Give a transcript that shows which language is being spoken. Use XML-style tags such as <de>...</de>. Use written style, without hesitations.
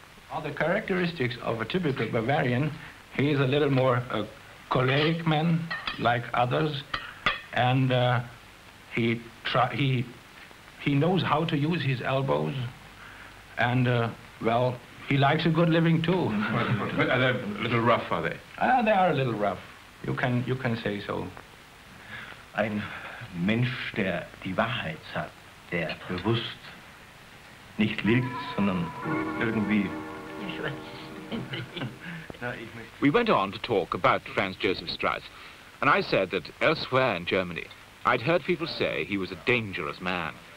<en>All the characteristics of a typical Bavarian, he is a little more a choleric man, like others, and he knows how to use his elbows, and, well, he likes a good living, too. But are they a little rough, are they? They are a little rough. You can say so.</en> <de>Ein Mensch, der die Wahrheit sagt, der bewusst nicht lügt, sondern irgendwie...</de> <en>We went on to talk about Franz Joseph Strauss, and I said that elsewhere in Germany, I'd heard people say he was a dangerous man.</en>